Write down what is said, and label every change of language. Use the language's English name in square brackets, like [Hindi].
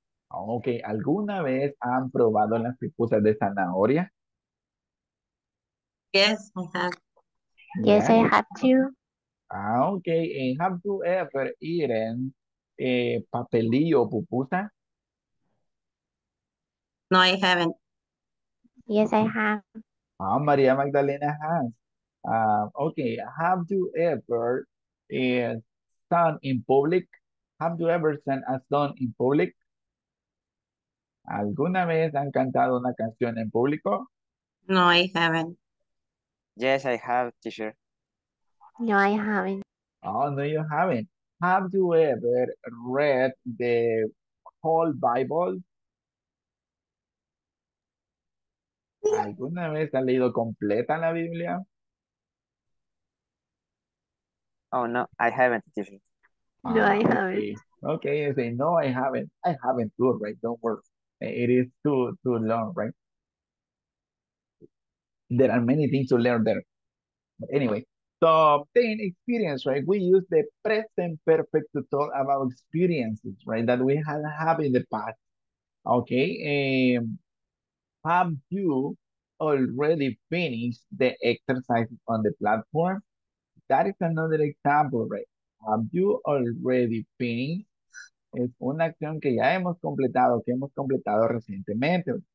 [Spanish] Okay, ¿alguna vez han probado las pupusas de zanahoria? [English] Yes, I have. Yes, Yeah. I have too. Okay, and have you ever eaten papelillo pupusa? No, I haven't. Yes, I have. Ah, María Magdalena has. Okay, have you ever stand in public? Have you ever sang a song in public? [Spanish] ¿Alguna vez han cantado una canción en público? [English] No, I haven't. Yes, I have, teacher. No, I haven't. Oh, no, you haven't. Have you ever read the whole Bible? [Spanish] ¿Alguna vez han leído completa la Biblia? [English] Oh, no, I haven't, teacher. No, I haven't. Okay. Okay, you say, no, I haven't. I haven't too, right? Don't worry. It is too long, right? There are many things to learn there. But anyway, so then experience, right? We use the present perfect to talk about experiences, right? That we have had in the past. Okay. Have you already finished the exercise on the platform? That is another example, right? Have you already finished? [Spanish] Es una acción que ya hemos completado, que hemos completado recientemente.